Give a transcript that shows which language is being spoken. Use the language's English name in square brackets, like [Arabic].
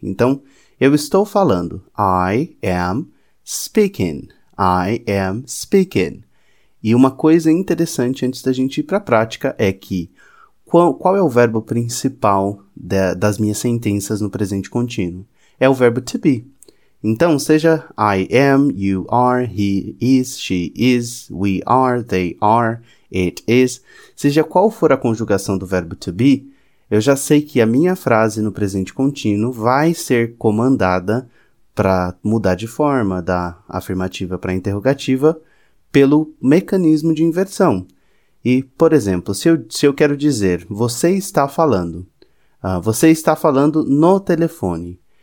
[Portuguese] Então, eu estou falando. [English] I am speaking. I am speaking. [Portuguese] E uma coisa interessante antes da gente ir para a prática é que qual é o verbo principal das minhas sentenças no presente contínuo? É o verbo to be. Então, seja [English] I am, you are, he is, she is, we are, they are, it is. [Portuguese] Seja qual for a conjugação do verbo to be, eu já sei que a minha frase no presente contínuo vai ser comandada para mudar de forma da afirmativa para a interrogativa pelo mecanismo de inversão. E, por exemplo, se eu quero dizer você está falando no telefone.